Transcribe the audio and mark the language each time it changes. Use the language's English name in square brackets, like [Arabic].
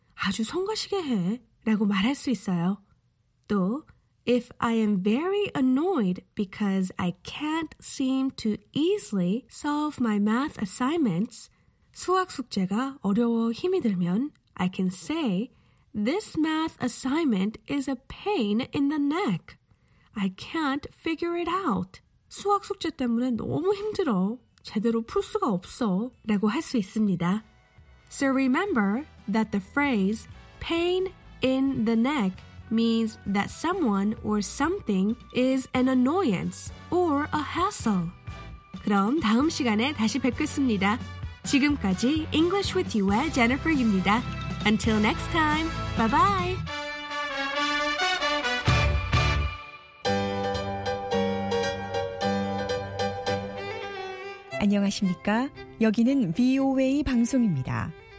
[Korean] 아주 성가시게 해. 라고 말할 수 있어요. 또, [English] If I am very annoyed because I can't seem to easily solve my math assignments, [Korean] 수학 숙제가 어려워 힘이 들면, [English] I can say, This math assignment is a pain in the neck. I can't figure it out. [Korean] 수학 숙제 때문에 너무 힘들어. 제대로 풀 수가 없어. 라고 할 수 있습니다. [English] So remember that the phrase pain in the neck means that someone or something is an annoyance or a hassle. [Korean] 그럼 다음 시간에 다시 뵙겠습니다. 지금까지 English with you의 Jennifer입니다. [English] Until next time, bye-bye! [Korean] Hello, 안녕하십니까? 여기는 VOA 방송입니다.